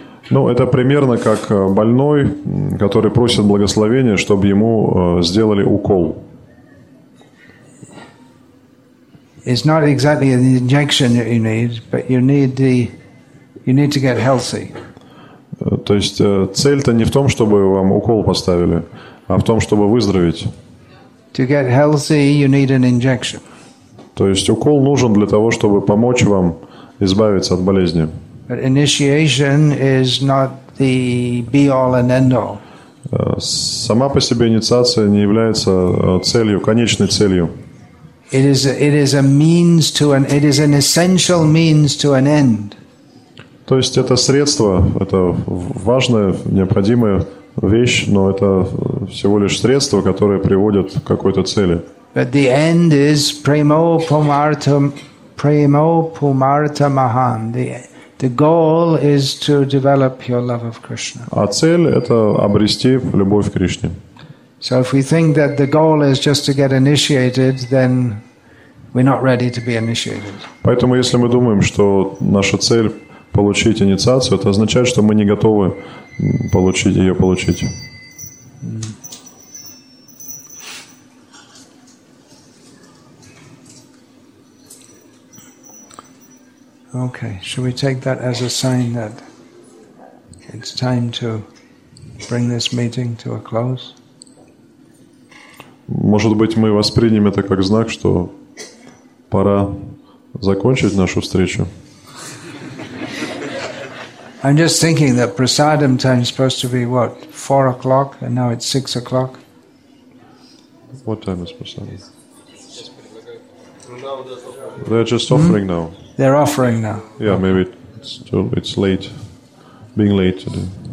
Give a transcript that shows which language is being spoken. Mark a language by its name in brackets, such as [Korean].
[Russian] Ну, это примерно как больной, который просит благословения, чтобы ему сделали укол. [English] It's not exactly an injection that you need, but you need to get healthy. [Russian] То есть цель-то не в том, чтобы вам укол поставили, а в том, чтобы выздороветь. [English] To get healthy, you need an injection. [Russian] То есть укол нужен для того, чтобы помочь вам избавиться от болезни. [English] But initiation is not the be-all and end-all. [Russian] Сама по себе инициация не является целью, конечной целью. [English] It is an essential means to an end. [Russian] То есть это средство, это важное, необходимое. Вещь, но это всего лишь средство, которое приводит к какой-то цели. [English] But the end is [Sanskrit] premo pumarta maham. [English] The The goal is to develop your love of Krishna. [Russian] А цель — это обрести любовь к Кришне. [English] So if we think that the goal is just to get initiated, then we're not ready to be initiated. [Russian] Поэтому если мы думаем, что наша цель получить инициацию, это означает, что мы не готовы получить ее получить. [English] Okay, should we take that as a sign that it's time to bring this meeting to a close? [Russian] Может быть, мы воспримем это как знак, что пора закончить нашу встречу. [English] I'm just thinking that prasadam time is supposed to be what, 4 o'clock, and now it's 6 o'clock. What time is prasadam? They're just offering now. They're offering now. Yeah, maybe it's too, it's late, being late today.